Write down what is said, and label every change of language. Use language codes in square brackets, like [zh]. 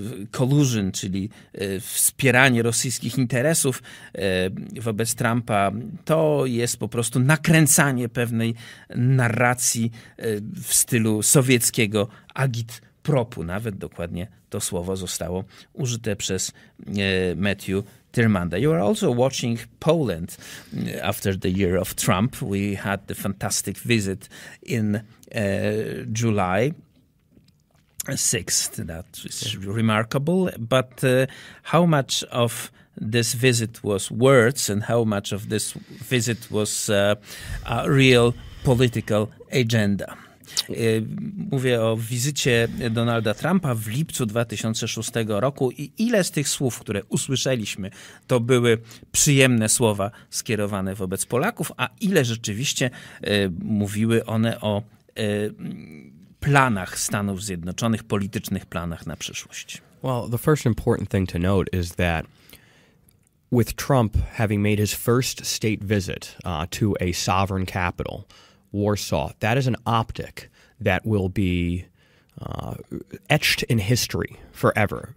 [pl] collusion, czyli wspieranie rosyjskich interesów wobec Trumpa, to jest po prostu nakręcanie pewnej narracji w stylu sowieckiego agitpropu. Nawet dokładnie to słowo zostało użyte przez Matthew Tyrmanda. [en] You are also watching Poland after the year of Trump. We had the fantastic visit in July 6th. That is remarkable. But how much of this visit was words and how much of this visit was a real political agenda? [pl] Mówię o wizycie Donalda Trumpa w lipcu 2006 roku i ile z tych słów, które usłyszeliśmy, to były przyjemne słowa skierowane wobec Polaków, a ile rzeczywiście mówiły one o planach Stanów Zjednoczonych, politycznych planach na przyszłość. [en] Well, the first important thing to note is that with Trump having made his first state visit to a sovereign capital, Warsaw, that is an optic that will be etched in history forever.